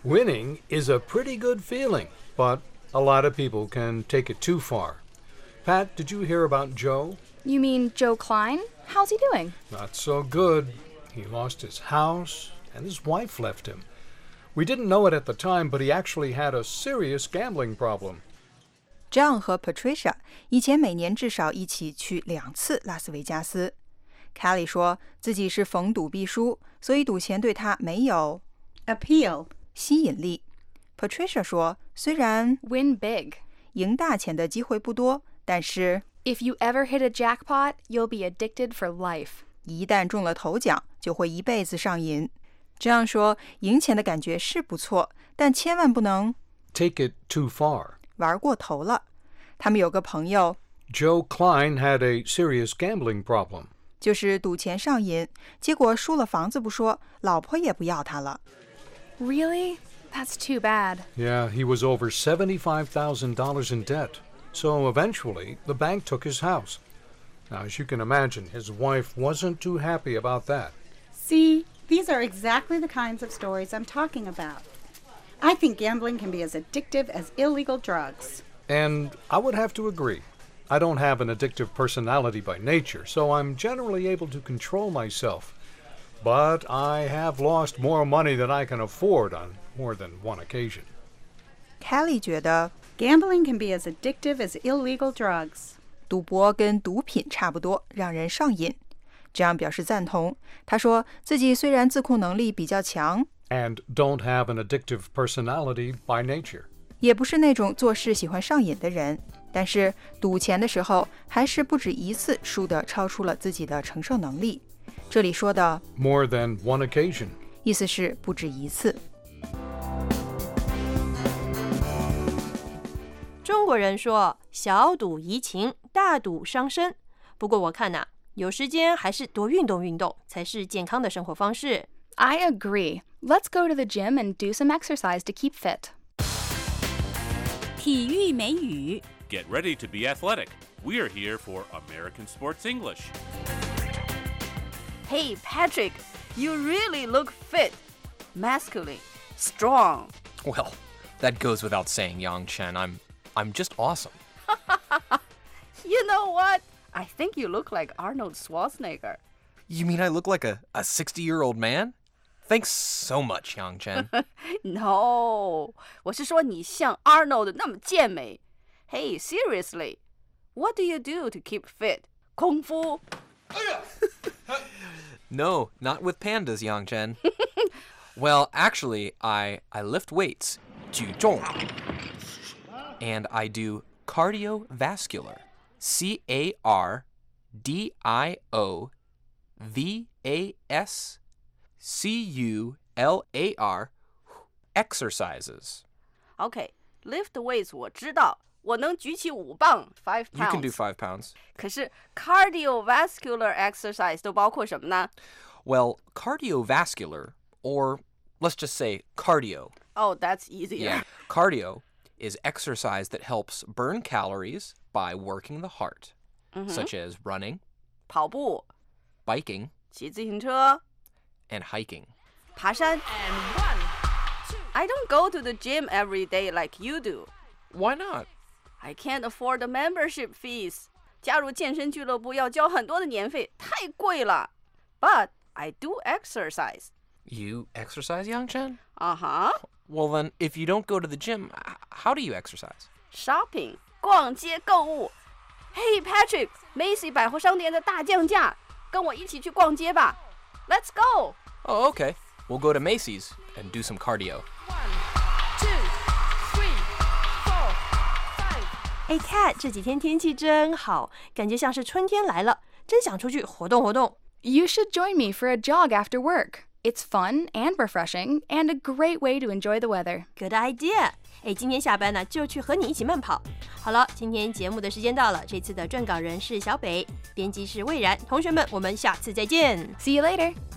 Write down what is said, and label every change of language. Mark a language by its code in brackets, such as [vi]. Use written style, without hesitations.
[en] Winning is a pretty good feeling, but a lot of people can take it too far. Pat, did you hear about Joe? You mean Joe Klein? How's he doing? Not so good. He lost his house, and his wife left him. We didn't know it at the time, but he actually had a serious gambling problem. [zh] John 和 Patricia 以前每年至少一起去两次拉斯维加斯。 Kelly 说自己是逢赌必输，所以赌钱对他没有 [en] appeal [zh] 吸引力。 Patricia 说，虽然 [en] win big [zh] 赢大钱的机会不多，但是 [en] if you ever hit a jackpot, you'll be addicted for life. [zh] 一旦中了头奖，就会一辈子上瘾。这样说，赢钱的感觉是不错，但千万不能 [en] take it too far. [zh] 玩过头了。他们有个朋友 [en] Joe Klein had a serious gambling problem. [zh] 就是赌钱上瘾，结果输了房子不说，老婆也不要他了。 [en] Really? That's too bad. Yeah, he was over $75,000 in debt. So eventually, the bank took his house. Now, as you can imagine, his wife wasn't too happy about that. See, these are exactly the kinds of stories I'm talking about. I think gambling can be as addictive as illegal drugs. And I would have to agree. I don't have an addictive personality by nature, so I'm generally able to control myself. But I have lost more money than I can afford on... more than one occasion. Kelly 觉得 gambling can be as addictive as illegal drugs. 赌博跟毒品差不多，让人上瘾。这样表示赞同。他说自己虽然自控能力比较强 and don't have an addictive personality by nature. 也不是那种做事喜欢上瘾的人，但是赌钱的时候还是不止一次输得超出了自己的承受能力。这里说的 more than one occasion. 意思是不止一次。中国人说小赌怡情，大赌伤身。不过我看啊，有时间还是多运动运动才是健康的生活方式。 I agree. Let's go to the gym and do some exercise to keep fit. [zh] 体育美语 [en] Get ready to be athletic. We are here for American Sports English. Hey Patrick, you really look fit. Masculine, strong. Well, that goes without saying, Yang Chen. I'm just awesome. You know what? I think you look like Arnold Schwarzenegger. You mean I look like a 60-year-old man? Thanks so much, Yang Chen. [zh] No, 我是说你像 Arnold 那么健美。 [en] Hey, seriously, what do you do to keep fit? [zh] 功夫? [en] No, not with pandas, Yang Chen. Well, actually, I lift weights. [zh] 举重。 [en] And I do cardiovascular, cardiovascular exercises. Okay, lift weights [zh] 我知道，我能举起五磅 [en] 5 pounds. You can do 5 pounds. [zh] 可是 cardiovascular exercise 都包括什么呢？ [en] Well, cardiovascular, or let's just say cardio. Oh, that's easier. Yeah, cardio. is exercise that helps burn calories by working the heart,、 mm-hmm. such as running, [zh] 跑步 [en] biking, [zh] 骑自行车 [en] and hiking. [zh] 爬山 [en] And one, two. I don't go to the gym every day like you do. Why not? I can't afford the membership fees. [zh] 加入健身俱乐部要交很多的年费，太贵了。 [en] But I do exercise. You exercise, Yang Chen? Uh-huh. Well then, if you don't go to the gym, how do you exercise? Shopping, [zh] 逛街购物。 [en] Hey Patrick, [zh] Macy 百货商店的大降价，跟我一起去逛街吧。 [en] Let's go. Oh, okay. We'll go to Macy's and do some cardio. One, two, three, four, five. [zh] Hey Kat, 这几天天气真好，感觉像是春天来了，真想出去活动活动。 [en] You should join me for a jog after work. It's fun and refreshing, and a great way to enjoy the weather. Good idea! [zh] 哎，今天下班呢，就去和你一起慢跑。好了，今天节目的时间到了。这次的撰稿人是小北，编辑是魏然。同学们，我们下次再见。 [en] See you later.